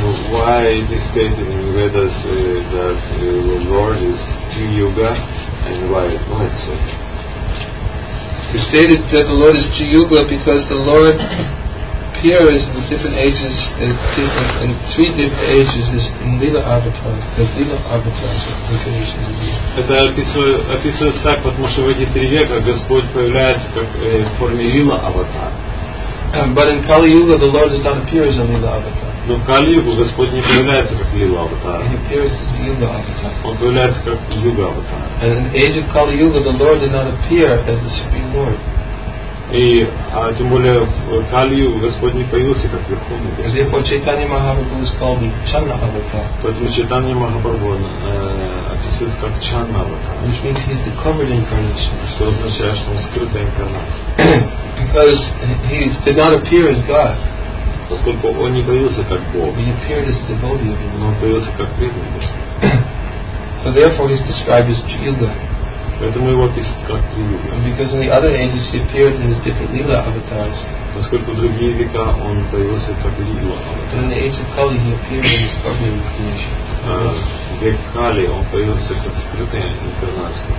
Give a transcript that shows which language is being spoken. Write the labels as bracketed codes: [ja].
[en] Why it is stated in Vedas that the Lord is Tri-Yuga and why it might so? It is stated that the Lord is Tri-Yuga because the Lord appears in the different ages in three different ages is in Lila Avatar, the Lila Avatar incarnation. [ru] Это описывается так, потому что в эти три века Господь появляется как в форме Лила Аватар. [en] But in Kali Yuga, the Lord does not appear as a Lila Avatar. [ru] Но в Кали Югу Господь не появляется как Лила Аватар. [en] He appears as Yuga Avatar. [ru] Он появляется как Юга Аватар. [en] And in the age of Kali Yuga, the Lord did not appear as the Supreme Lord. [ru] И тем более в Калию Господь не появился как Верховный Господь. [en] Therefore, Chaitanya Mahaprabhu is called Channa Avatar. [ru] Поэтому Chaitanya Mahaprabhu описывается как Channa Avatar. [en] Which means he is the covered incarnation. [ru] Что означает, что он скрытая инкарнация. [en] Because he did not appear as God. [ru] Поскольку он не появился как Бог. [en] He appeared as a devotee of him. [ru] Он появился как преданный Господь. [en] So therefore, he is described as Yuga. [ru] Поэтому его описывают как три юга. [en] Because in the other ages he appeared in his different lila avatars. [ru] Поскольку в другие века он появился как лила аватар. [en] In the age of Kali he appeared in his covered incarnation. [ru] В век Кали он появился как скрытая инкарнация.